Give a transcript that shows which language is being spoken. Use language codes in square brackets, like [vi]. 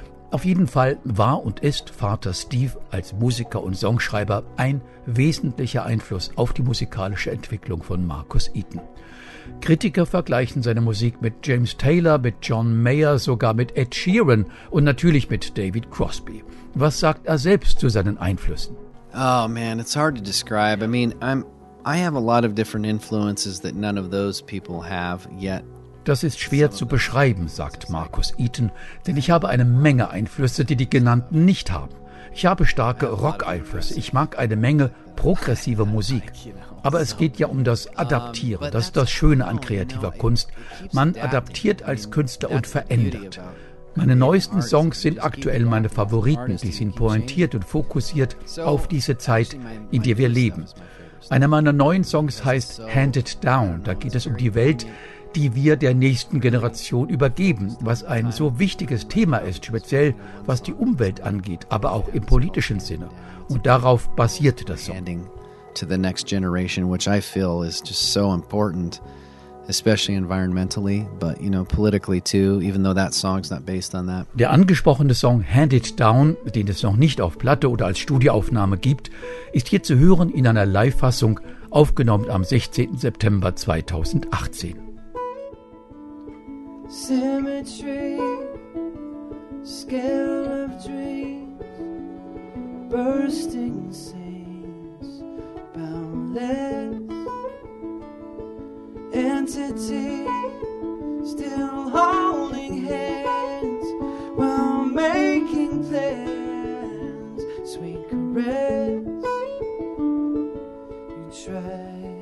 [de] Auf jeden Fall war und ist Vater Steve als Musiker und Songschreiber ein wesentlicher Einfluss auf die musikalische Entwicklung von Marcus Eaton. Kritiker vergleichen seine Musik mit James Taylor, mit John Mayer, sogar mit Ed Sheeran und natürlich mit David Crosby. Was sagt er selbst zu seinen Einflüssen? [en] Oh man, it's hard to describe. I mean, I have a lot of different influences that none of those people have yet. [de] Das ist schwer zu beschreiben, sagt Marcus Eaton, denn ich habe eine Menge Einflüsse, die die genannten nicht haben. Ich habe starke Rock-Einflüsse, ich mag eine Menge progressive Musik. Aber es geht ja um das Adaptieren, das ist das Schöne an kreativer Kunst. Man adaptiert als Künstler und verändert. Meine neuesten Songs sind aktuell meine Favoriten, die sind pointiert und fokussiert auf diese Zeit, in der wir leben. Einer meiner neuen Songs heißt Hand It Down, da geht es um die Welt, die wir der nächsten Generation übergeben, was ein so wichtiges Thema ist, speziell was die Umwelt angeht, aber auch im politischen Sinne. Und darauf basiert das Song. [en] To the next generation, which I feel is just so important, especially environmentally, but you know, politically too, even though that song's not based on that. [de] Der angesprochene Song Hand It Down, den es noch nicht auf Platte oder als Studioaufnahme gibt, ist hier zu hören in einer Live-Fassung, aufgenommen am 16. September 2018. [en] Symmetry, scale of dreams, bursting seams, boundless entity, still holding hands while making plans, sweet caress, you try.